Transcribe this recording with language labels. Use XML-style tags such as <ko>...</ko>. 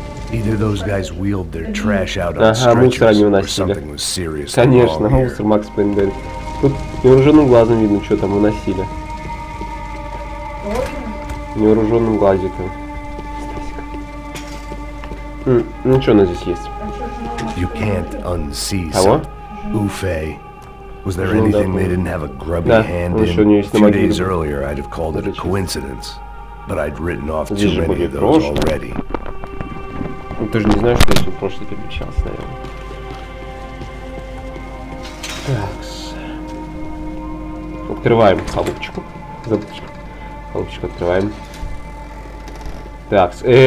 <en>Either those guys wheeled their trash out on stretchers.</en> <ru>Ага, мусор они уносили. Конечно, мусор, Макс Пенберг. Тут невооруженным глазом видно, что там уносили. Невооруженным глазиком. Ну что у нас здесь есть?</ru> <en>You can't unsee Уфей. Was there anything they didn't have a grubby hand in? Two days earlier, I'd have called it a coincidence, but I'd written off too many of those already.</en> <ru>Ты же не знаешь, что я в прошлый перемещался, наверное. Такс. Открываем халупочку. Халупочку открываем. Такс.</ru>